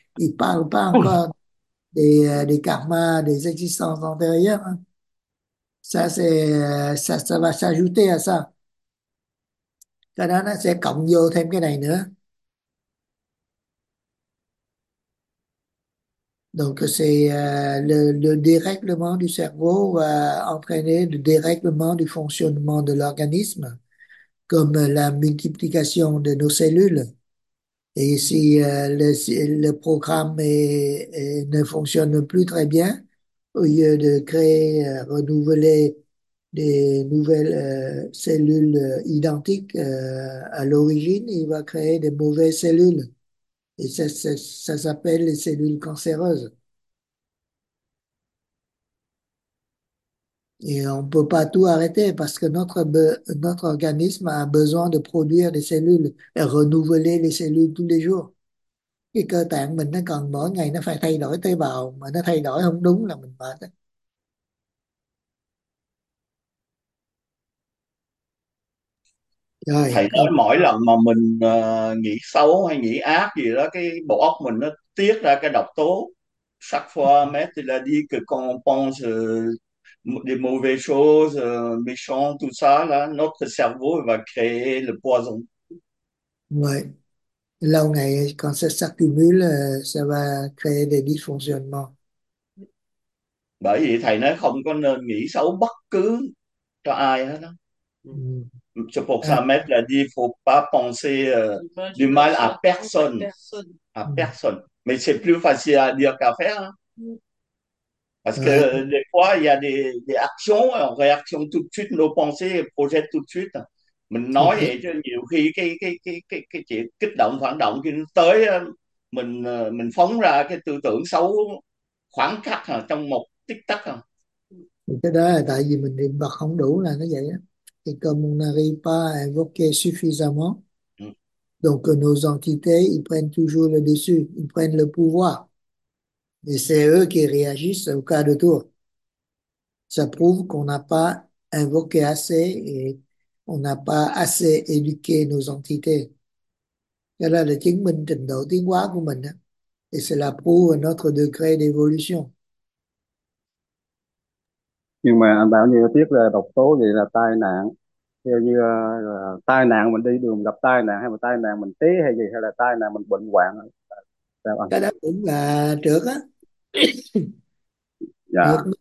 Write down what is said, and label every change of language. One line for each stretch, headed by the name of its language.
French: Il ne parle pas encore des karmas, des existences antérieures. Ça va s'ajouter à ça.
Vietnamese: Cái đó nó sẽ cộng vô thêm cái này nữa.
French: Donc c'est le dérèglement du cerveau va entraîner le dérèglement du fonctionnement de l'organisme, comme la multiplication de nos cellules. Et si le programme ne fonctionne plus très bien, au lieu de créer, renouveler des nouvelles cellules identiques à l'origine, il va créer des mauvaises cellules. Et ça s'appelle les cellules cancéreuses. Et on ne peut pas tout arrêter parce que notre organisme a besoin de produire des cellules et renouveler les cellules tous les jours.
Vietnamese: Cái cơ tạng mình nó cần mỗi ngày nó phải thay đổi tế bào, mà nó thay đổi không đúng là mình mệt đó. Rồi, Thầy nói con mỗi lần mà mình nghĩ xấu hay nghĩ ác gì đó, cái bộ óc mình nó tiết ra cái độc tố.
French: Chaque fois, mais tu l'as dit que quand on pense des mauvaises choses, méchants, tout ça, là, notre cerveau va créer le poison. ouais.
Vietnamese: Lâu ngày
French: quand ça s'accumule, ça va créer des dysfonctionnements.
Vietnamese: Bởi vì thầy nói không có nên nghĩ xấu bất cứ cho ai hết đó.
French: Je pense à mettre la vie, faut pas penser du mal à personne. À personne. Mais c'est plus facile à dire qu'à faire. Hein. Parce que des fois, il y a des actions, en réaction tout de suite, nos pensées projettent tout de suite.
Vietnamese: Mình nói vậy chứ nhiều khi cái chuyện kích động, phản động khi nó tới, mình phóng ra cái tư tưởng xấu khoảng khắc à, trong một tích tắc à. Cái đó là tại vì mình niệm Phật không đủ là nó vậy á.
French: Thì comme on n'arrive pas à invoquer suffisamment, donc nos entités, ils prennent toujours le dessus, ils prennent le pouvoir. Et c'est eux qui réagissent au quart de tour. Ça prouve qu'on n'a pas invoqué assez et on n'a pas assez éduqué nos entités. Et là, le
Vietnamese: chứng minh trình độ tiến hóa của mình.
French: Et c'est la prouve de notre degré d'évolution.
Vietnamese: Nhưng mà anh bảo như tiết là độc tố gì là tai nạn, theo như tai nạn mình đi đường gặp tai nạn, hay là tai nạn mình té hay gì, hay là tai nạn mình bệnh hoạn sao Cái đó cũng là trượt á. Trượt, dạ